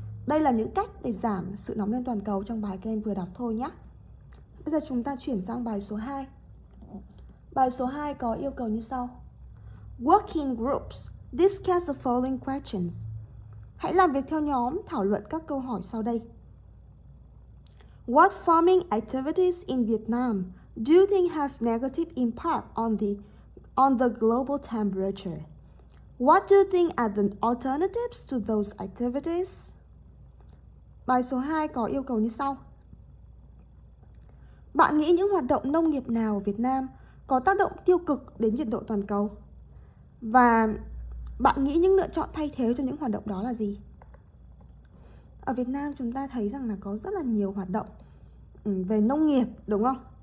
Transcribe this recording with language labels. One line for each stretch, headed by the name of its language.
Vietnamese: Đây là những cách để giảm sự nóng lên toàn cầu trong bài các em vừa đọc thôi nhé. Bây giờ chúng ta chuyển sang bài số 2. Bài số 2 có yêu cầu như sau.
English: Working groups discuss the following questions.
Vietnamese: Hãy làm việc theo nhóm thảo luận các câu hỏi sau đây.
English: What farming activities in Vietnam do you think have negative impact on the on the global temperature. What do you think are the alternatives to those activities?
Vietnamese: Bài số 2 có yêu cầu như sau. Bạn nghĩ những hoạt động nông nghiệp nào ở Việt Nam có tác động tiêu cực đến nhiệt độ toàn cầu? Và bạn nghĩ những lựa chọn thay thế cho những hoạt động đó là gì? Ở Việt Nam chúng ta thấy rằng là có rất là nhiều hoạt động về nông nghiệp, đúng không?